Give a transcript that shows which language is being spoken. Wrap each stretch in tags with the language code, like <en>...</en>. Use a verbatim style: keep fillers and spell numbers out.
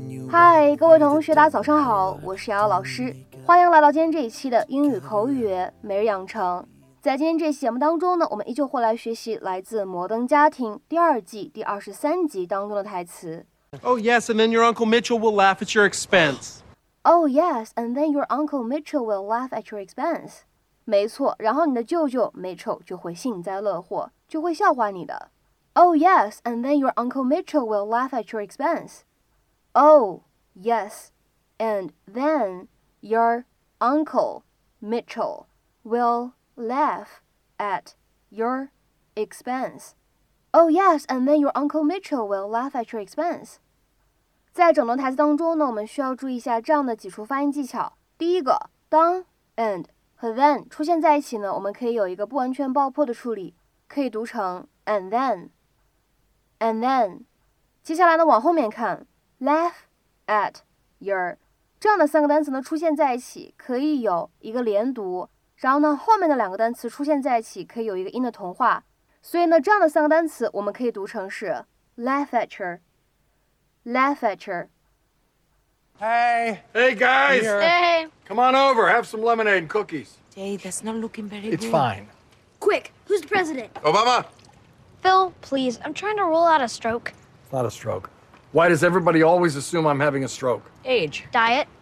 <zh>嗨，各位同学，大家早上好，我是瑶瑶老师，欢迎来到今天这一期的英语口语每日养成。在今天这期节目当中呢，我们依旧会来学习来自《摩登家庭》第二季第二十三集当中的台词。</zh> <en>Oh yes, and then your Uncle Mitchell will laugh at your expense. Oh yes, and then your Uncle Mitchell will laugh at your expense.</en> <zh>没错，然后你的舅舅 Mitchell 就会幸灾乐祸，就会笑话你的。</zh> <en>Oh yes, and then your Uncle Mitchell will laugh at your expense. Oh yes, and then your Uncle Mitchell will laugh at your expense. Oh yes, and then your Uncle Mitchell will laugh at your expense.</en> <zh>在整段台词当中呢，我们需要注意一下这样的几处发音技巧。第一个，当 and 和 then 出现在一起呢，我们可以有一个不完全爆破的处理，可以读成</zh> <en>and then. And then,</en> <zh>接下来呢，往后面看 laugh at your 这样的三个单词呢出现在一起，可以有一个连读，然后呢后面的两个单词出现在一起，可以有一个音的同化，所以呢这样的三个单词我们可以读成是</zh> <en>laugh at your, laugh at your. Hey, hey guys, hey, come on over, have some lemonade and cookies. Hey, that's not looking very it's good. It's fine. Quick, who's the president? Obama. Phil, please, I'm trying to roll out a stroke. It's not a stroke. Why does everybody always assume I'm having a stroke? Age. Diet.</en>